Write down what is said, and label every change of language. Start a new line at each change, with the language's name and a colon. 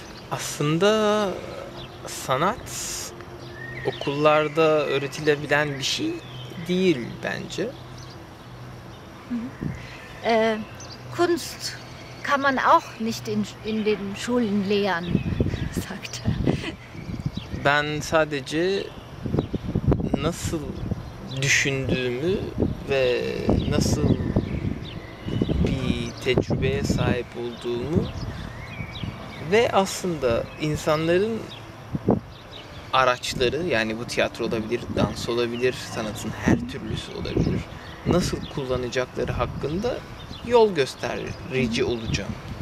Turkish: Aslında sanat okullarda öğretilebilen bir şey değil bence.
German: Kunst kann man auch nicht in den Schulen lehren, sagt er.
Turkish: Ben sadece nasıl düşündüğümü ve nasıl bir tecrübeye sahip olduğumu ve aslında insanların araçları, yani bu tiyatro olabilir, dans olabilir, sanatın her türlüsü olabilir, nasıl kullanacakları hakkında yol gösterici olacağım.